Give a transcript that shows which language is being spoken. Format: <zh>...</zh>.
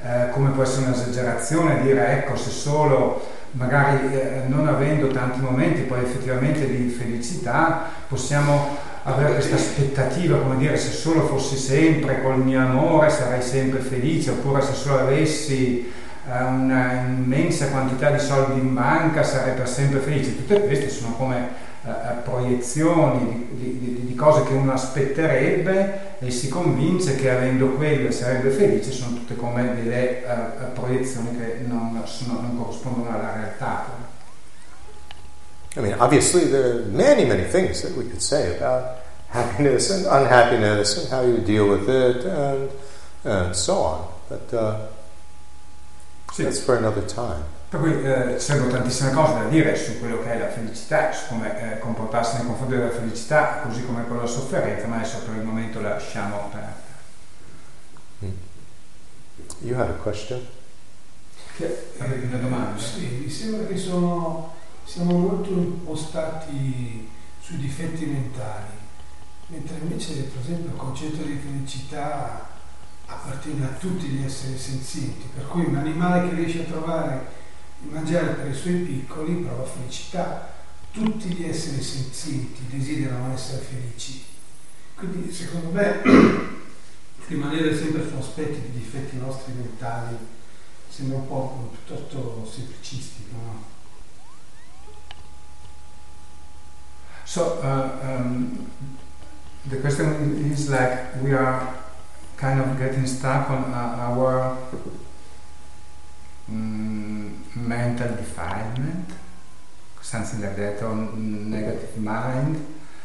<it>Come può essere un'esagerazione dire, ecco, se solo magari non avendo tanti momenti poi effettivamente di felicità possiamo avere questa aspettativa, come dire, se solo fossi sempre col mio amore sarei sempre felice, oppure se solo avessi una immensa quantità di soldi in banca sarei per sempre felice. Tutte queste sono come proiezioni di cose che uno aspetterebbe e si convince che avendo quello sarebbe felice, sono tutte come delle proiezioni che non corrispondono alla realtà.</it> <en>I mean, obviously there are many, many things that we could say about happiness and unhappiness and how you deal with it and so on, but</en> <it>sì.</it> <en>That's for another time.</en> <it>Per cui ci sono tantissime cose da dire su quello che è la felicità, su come comportarsi nei confronti della felicità, così come con la sofferenza, ma adesso per il momento la lasciamo aperta.</it> <en>You have a question?</en> <it>Avevi una domanda? Sì, mi sembra che siamo molto impostati sui difetti mentali, mentre invece, per esempio, il concetto di felicità appartiene a tutti gli esseri senzienti, per cui un animale che riesce a trovare mangiare per i suoi piccoli prova felicità. Tutti gli esseri senzienti desiderano essere felici, quindi secondo me rimanere sempre su aspetti di difetti nostri mentali sembra un po' piuttosto semplicistico, no?</it> <en>So the question is like we are kind of getting stuck on our mental defilement, something like that, or negative mind.</en>